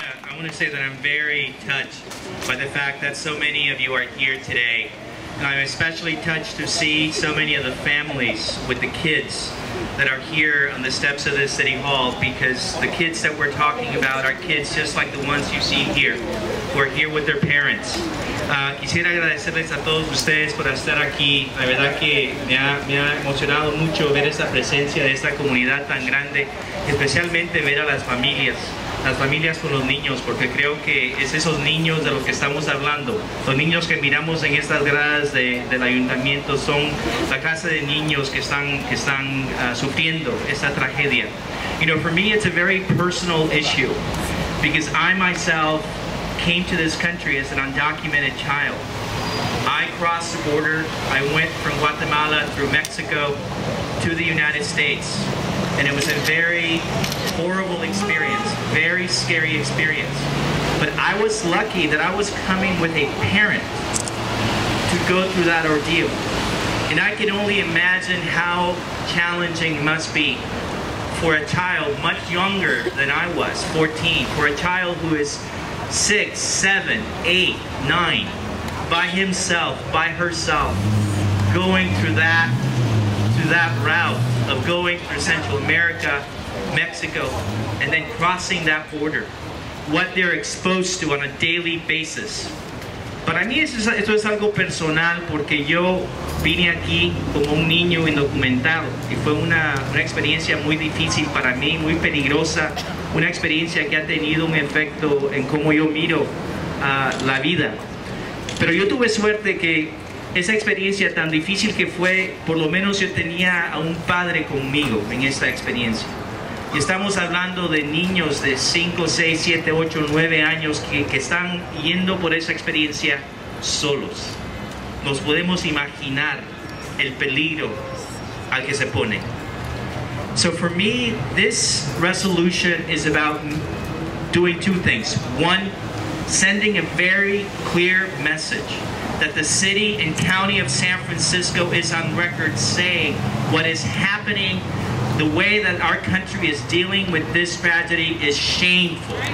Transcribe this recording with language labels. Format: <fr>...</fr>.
<en>I want to say that I'm very touched by the fact that so many of you are here today. And I'm especially touched to see so many of the families with the kids that are here on the steps of this City Hall, because the kids that we're talking about are kids just like the ones you see here, who are here with their parents.</en> <es>Quisiera agradecerles a todos ustedes por estar aquí. La verdad que me ha emocionado mucho ver esta presencia de esta comunidad tan grande, especialmente ver a las familias con los niños, porque creo que es esos niños de los que estamos hablando. Los niños que miramos en estas gradas del ayuntamiento son la casa de niños que están sufriendo esta tragedia.</es> <en>You know, for me, it's a very personal issue because I myself came to this country as an undocumented child. I crossed the border. I went from Guatemala through Mexico to the United States. And it was a very horrible experience, very scary experience. But I was lucky that I was coming with a parent to go through that ordeal. And I can only imagine how challenging it must be for a child much younger than I was, 14, for a child who is 6, 7, 8, 9, by himself, by herself, going through that route of going through Central America, Mexico, and then crossing that border, what they're exposed to on a daily basis.</en> <es>Para mí esto es algo personal porque yo vine aquí como un niño indocumentado y fue una experiencia muy difícil para mí, muy peligrosa, una experiencia que ha tenido un efecto en cómo yo miro la vida. Pero yo tuve suerte que esa experiencia tan difícil que fue, por lo menos yo tenía a un padre conmigo en esta experiencia. Y estamos hablando de niños de 5, 6, 7, 8, 9 años que están yendo por esa experiencia solos. Nos podemos imaginar el peligro al que se pone.</es> <en>So for me, this resolution is about doing two things. One, sending a very clear message that the city and county of San Francisco is on record saying what is happening, the way that our country is dealing with this tragedy is shameful.</en>